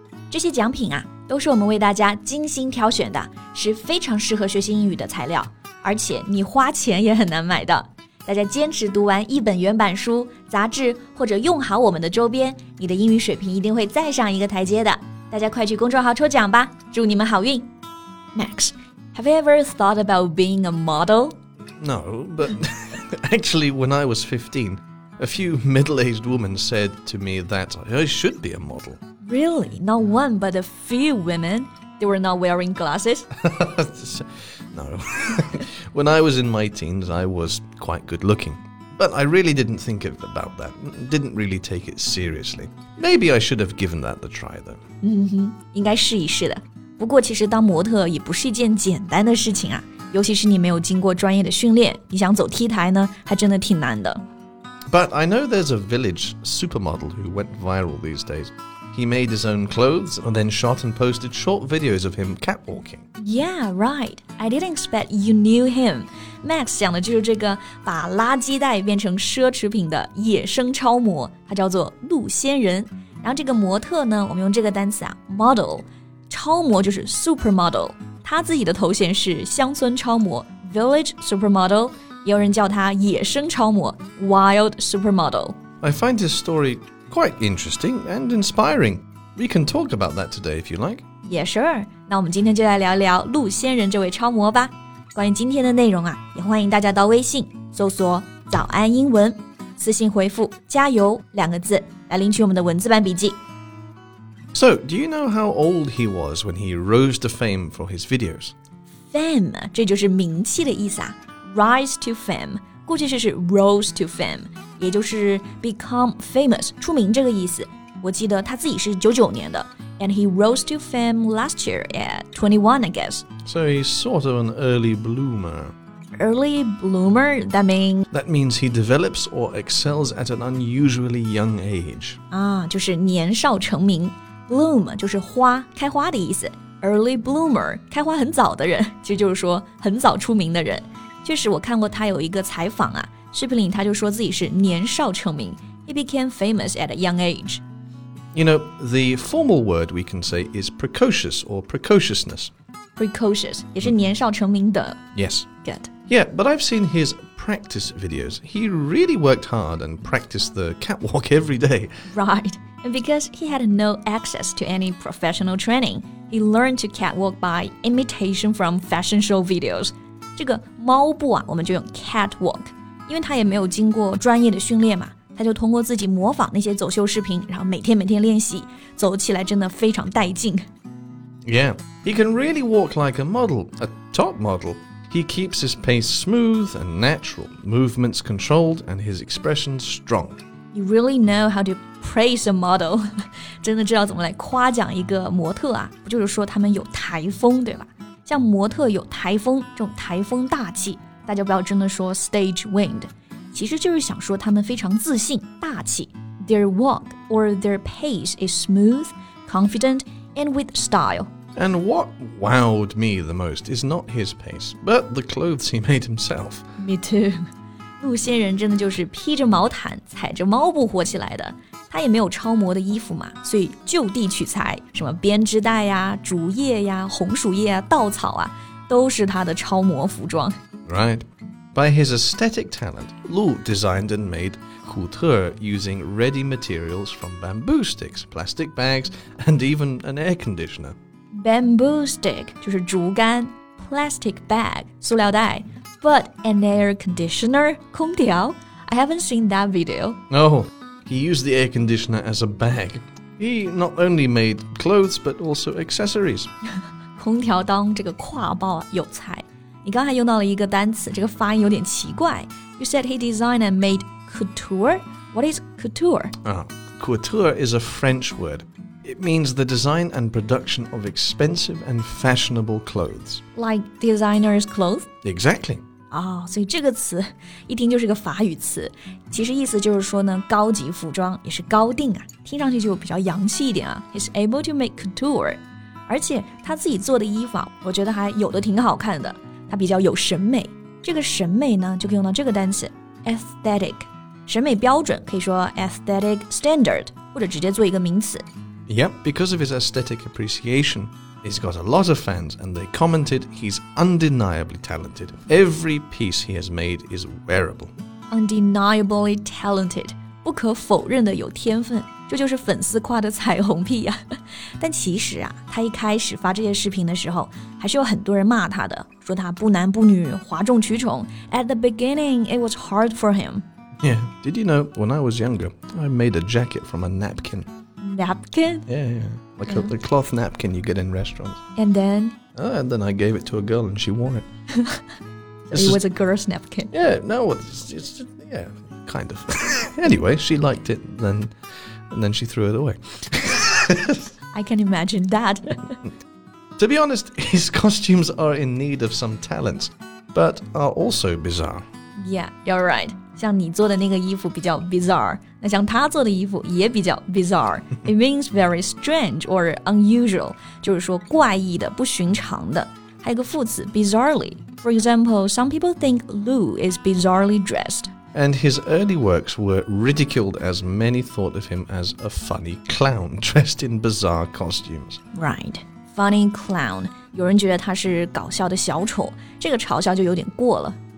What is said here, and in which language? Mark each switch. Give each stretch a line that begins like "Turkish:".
Chinese: 这些奖品啊，都是我们为大家精心挑选的，是非常适合学习英语的材料，而且你花钱也很难买的。大家坚持读完一本原版书、杂志，或者用好我们的周边，你的英语水平一定会再上一个台阶的。大家快去公众号抽奖吧，祝你们好运。
English: Max, have you ever thought about being a model? No, but actually when I was 15, a few middle-aged women said to me that I should be a model. Really? Not one, but a few women? They were not wearing glasses? No. When I was in my teens, I was quite good looking. But I really didn't think about that. Didn't really take it seriously. Maybe I should have given that a try, though.
Chinese: 应该试一试的。不过其实当模特也不是一件简单的事情啊。尤其是你没有经过专业的训练，你想走 T 台呢，还真的挺难的。
English: But I know there's a village supermodel who went viral these days. He made his own clothes and then shot and posted short videos of him catwalking. Yeah, right. I didn't expect you knew him.
Chinese: Max 讲的就是这个把垃圾袋变成奢侈品的野生超模，他叫做鹿仙人。然后这个模特呢，我们用这个单词啊 ，model， 超模就是 supermodel。他自己的头衔是乡村超模 ，village supermodel， 也有人叫他野生超模 ，wild supermodel.
English: I find his story. Quite interesting and inspiring. We can talk about that today if you like. Yeah, sure.
Chinese: 那我们今天就来聊聊鹿仙人这位超模吧。关于今天的内容啊，也欢迎大家到微信搜索“早安英文”，私信回复“加油”两个字来领取我们的文字版笔记。
English: So, do you know how old he was when he rose to fame for his videos?
Chinese: Fame, 这就是名气的意思啊。
English: Rise to fame,
Chinese: 过去式是
English: rose to fame.
Chinese: 也就是
English: become famous,
Chinese: 出名这个意思。我记得他自己是99年的。
English: And he rose to fame last year at 21, I guess. So he's sort of an early bloomer. Early bloomer? That means? That means he develops or excels at an unusually young age.
Chinese: 啊，就是年少成名。 Bloom 就是花，开花的意思。Early bloomer, 开花很早的人，其实就是说很早出名的人。确实我看过他有一个采访啊。视频里他就说自己是年少成名
English: He became famous at a young age. You know, the formal word we can say is precocious or precociousness.
Chinese: Precocious, 也是年少成名的。
English: Yes. Good. Yeah, but I've seen his practice videos. He really worked hard and practiced the catwalk every day. Right. And because he had no access to any professional training, he learned to catwalk by imitation from fashion show videos.
Chinese: 这个猫步啊，我们就用 catwalk. 因为他也没有经过专业的训练嘛，他就通过自己模仿那些走秀视频，然后每天练习，走起来真的非常带劲。
English: Yeah, he can really walk like a model, a top model. He keeps his pace smooth and natural, movements controlled, and his expressions strong. You really know how to praise a model.
Chinese: 真的知道怎么来夸奖一个模特啊，不就是说他们有台风，对吧？像模特有台风，这种台风大气。大家不要真的说 stage wind, 其实就是想说他们非常自信大气。
English: Their walk or their pace is smooth, confident, and with style. And what wowed me the most is not his pace, but the clothes he made himself. Me too.
Chinese: 鹿仙人真的就是披着毛毯踩着猫步火起来的。他也没有超模的衣服嘛，所以就地取材，什么编织袋呀、竹叶呀、红薯叶啊、稻草啊，都是他的超模服装。
English: Right. By his aesthetic talent, Lu designed and made couture using ready materials from bamboo sticks, plastic bags, and even an air conditioner. Bamboo stick,
Chinese: 就是竹竿,
English: plastic bag,
Chinese: 塑料袋,
English: but an air conditioner,
Chinese: 空调?
English: I haven't seen that video. Oh, he used the air conditioner as a bag. He not only made clothes, but also accessories.
Chinese: 空调当这个挎包有才。你刚才用到了一个单词，这个发音有点奇怪。
English: You said he designed and made couture. What is couture? Couture is a French word. It means the design and production of expensive and fashionable clothes. Like designer's clothes? Exactly.
Chinese: Oh, 所以这个词一听就是个法语词。其实意思就是说呢，高级服装也是高定啊，听上去就比较洋气一点啊。
English: He's able to make couture.
Chinese: 而且他自己做的衣服啊，我觉得还有的挺好看的。他比较有审美。这个审美呢，就可以用到这个单词 aesthetic. 审美标准可以说 aesthetic standard, 或者直接做一个名词。
English: Yep, because of his aesthetic appreciation, he's got a lot of fans and they commented he's undeniably talented. Every piece he has made is wearable.
Chinese: Undeniably talented, 不可否认的有天分，这就是粉丝夸的彩虹屁啊。但其实啊，他一开始发这些视频的时候，还是有很多人骂他的，说他不男不女，哗众取宠。
English: At the beginning, it was hard for him. Yeah, did you know, when I was younger, I made a jacket from a napkin. Napkin? Yeah, yeah. Like a cloth napkin you get in restaurants. And then? And then I gave it to a girl and she wore it. So it was a girl's napkin? Yeah, no, it's kind of. Anyway, she liked it and then she threw it away. I can imagine that. To be honest, his costumes are in need of some talent, but are also bizarre. Yeah, you're right.
Chinese: 像你做的那个衣服比较 bizarre, 那像他做的衣服也比较 bizarre.
English: It means very strange or unusual,
Chinese: 就是说怪异的、不寻常的。还有个副词 bizarrely.
English: For example, some people think Lou is bizarrely dressed. And his early works were ridiculed as many thought of him as a funny clown dressed in bizarre costumes. Right, funny clown.
Chinese: 有人觉得他是搞笑的小丑，这个嘲笑就有点过了。